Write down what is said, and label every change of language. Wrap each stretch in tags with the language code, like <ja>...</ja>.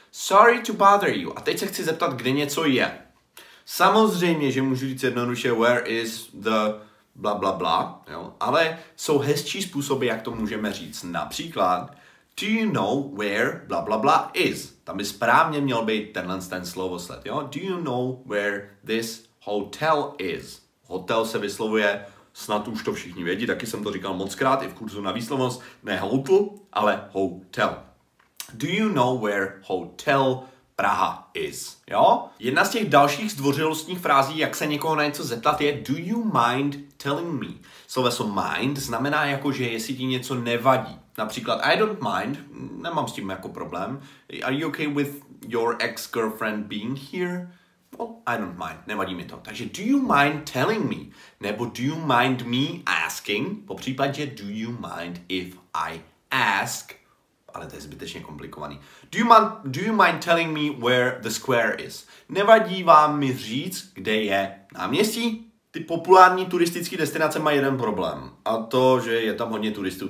<cs>Sorry to bother you. A teď se chci zeptat, kde něco je. Samozřejmě, že můžu říct jednoduše</cs> <en>where is the bla bla bla,</en> <cs>jo, ale jsou hezčí způsoby, jak to můžeme říct.</cs> <en>Například, do you know where bla bla bla is?</en> <cs>Tam by správně měl být tenhle ten slovosled, jo?</cs> <en>Do you know where this hotel is?</en> <cs>Hotel se vyslovuje, snad už to všichni vědí, taky jsem to říkal mockrát i v kurzu na výslovnost, ne hotel, ale hotel.</cs> <en>Do you know where hotel Praha is, jo?</en> <cs>Jedna z těch dalších zdvořilostních frází, jak se někoho na něco zeptat, je</cs> <en>do you mind telling me?</en> <cs>Sloveso mind znamená jako, že jestli ti něco nevadí. Například</cs> <en>I don't mind,</en> <cs>nemám s tím jako problém.</cs> <en>Are you okay with your ex-girlfriend being here? Well, I don't mind,</en> <cs>nevadí mi to. Takže</cs> <en>do you mind telling me?</en> <cs>Nebo</cs> <en>do you mind me asking?</en> <cs>Popřípadě</cs> <en>do you mind if I ask?</en> <cs>Ale to je zbytečně komplikovaný.</cs> <en>Do you mind telling me where the square is?</en> <cs>Nevadí vám mi říct, kde je náměstí? Ty populární turistické destinace mají jeden problém. A to, že je tam hodně turistů.</cs>